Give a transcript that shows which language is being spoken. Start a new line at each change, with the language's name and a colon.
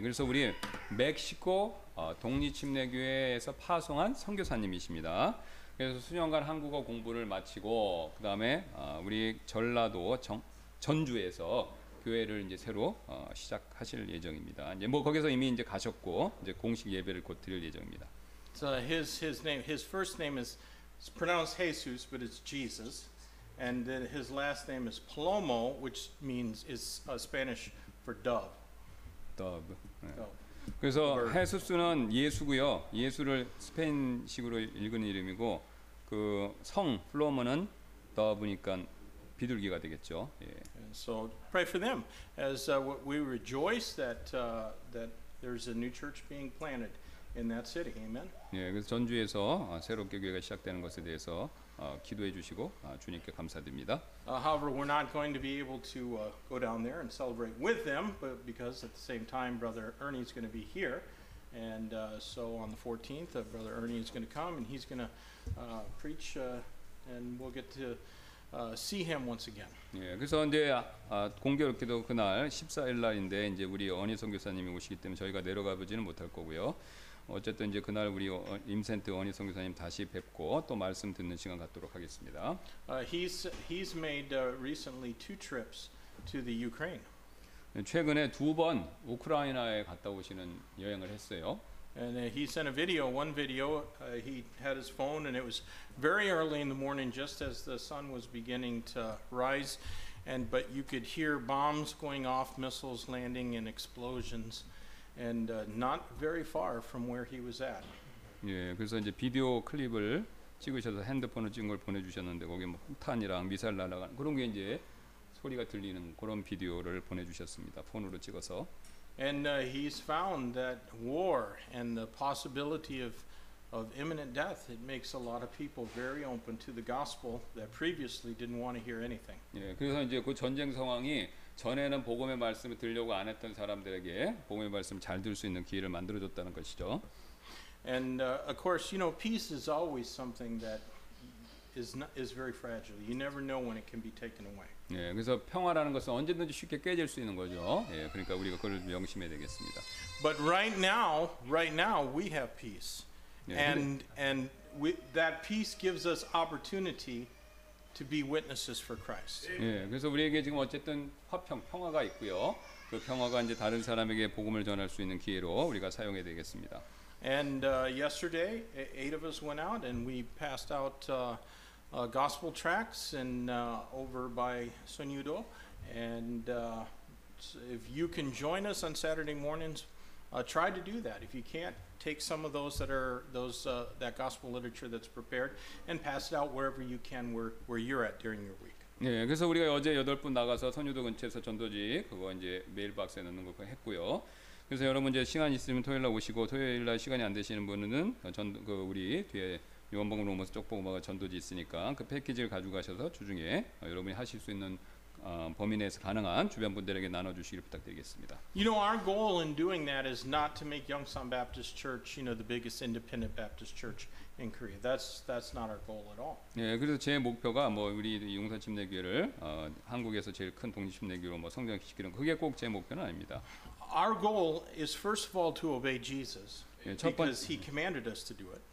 Korean: 그래서 우리 멕시코 독립침례교회에서 파송한 선교사님이십니다. 그래서 수년간 한국어 공부를 마치고 그 다음에 우리 전라도 전주에서 교회를 이제 새로 시작하실 예정입니다. 이제 뭐 거기서 이미 이제 가셨고 이제 공식 예배를 곧 드릴 예정입니다.
English: So his name, his first name is pronounced Jesus, but it's Jesus, and then his last name is Palomo, which means is Spanish for dove.
Korean: 더브. 그래서 헤수스는 예수고요. 예수를 스페인식으로 읽은 이름이고 그 성 플로머는 더브니까 비둘기가 되겠죠. 예.
English: So pray for them as we rejoice that that there's a new church being planted in that city. Amen.
Korean: 예, 그래서 전주에서 새롭게 교회가 시작되는 것에 대해서 기도해 주시고 주님께 감사드립니다.
English: However, we're not going to be able to go down there and celebrate with them, but because at the same time, Brother Ernie is going to be here, and so on the 14th, Brother Ernie is going to come and he's going to preach, and we'll get to see him once again.
Korean: 예, 그래서 이제 공교롭게도 그날 14일 날인데 이제 우리 어니 선교사님이 오시기 때문에 저희가 내려가 보지는 못할 거고요. 어쨌든 이제 그날 우리 임센트 원희 선교사님 다시 뵙고 또 말씀 듣는 시간 갖도록 하겠습니다.
English: He's made recently two trips to the Ukraine.
Korean: 최근에 두 번 우크라이나에 갔다 오시는 여행을 했어요.
English: And he sent a video, one video. He had his phone and it was very early in the morning just as the sun was beginning to rise and but you could hear bombs going off, missiles landing and explosions. And not very far from where he was at.
Korean: 예, 그래서 이제 비디오 클립을 찍으셔서 핸드폰으로 찍은 걸 보내주셨는데 거기 뭐 폭탄이랑 미사일 날아간 그런 게 이제 소리가 들리는 그런 비디오를 보내주셨습니다. 폰으로 찍어서.
English: And he's found that war and the possibility of of imminent death, it makes a lot of people very open to the gospel that previously didn't want to hear anything.
Korean: 예, 그래서 이제 그 전쟁 상황이 전에는 복음의 말씀을 들려고 안 했던 사람들에게 복음의 말씀 잘 들을 수 있는 기회를 만들어 줬다는 것이죠.
English: And of course, you know, peace is always something that is very fragile. You never know when it can be taken away.
Korean: 예, 그래서 평화라는 것은 언제든지 쉽게 깨질 수 있는 거죠. 예, 그러니까 우리가 그걸 명심해야 되겠습니다.
English: But right now we have peace. And we, that peace gives us opportunity to be witnesses for Christ.
Korean: 예, 그래서 우리에게 지금 어쨌든 화평, 평화가 있고요. 그 평화가 이제 다른 사람에게 복음을 전할 수 있는 기회로 우리가 사용해야 되겠습니다.
English: And yesterday, eight of us went out and we passed out gospel tracts and over by Sonyudo. And if you can join us on Saturday mornings, try to do that. If you can't, take some of those that are those that gospel literature that's prepared and pass it out wherever you can where you're at during your week.
Korean: 네, 그래서 우리가 어제 여덟 분 나가서 선유도 근처에서 전도지 그거 이제 메일 박스에 넣는 거 했고요. 그래서 여러분 이제 시간 있으면 토요일 날 오시고 토요일 날 시간이 안 되시는 분은 전 그 우리 뒤에 요한복음 로마서 쪽복음화가 전도지 있으니까 그 패키지를 가져가셔서 주중에 여러분이 하실 수 있는 범위 내에서 가능한 주변 분들에게 나눠주시기 부탁드리겠습니다.
English: You know, our goal in doing that is not to make Yongsan Baptist Church, you know, the biggest independent Baptist church in Korea. That's not our goal at all.
Korean: 예, 그래서 제 목표가 뭐 우리 용산 침례교회를 한국에서 제일 큰 독립 침례교회로 뭐 성장시키는 그게 꼭 제 목표는 아닙니다.
English: Our goal is first of all to obey Jesus because He commanded us to do it.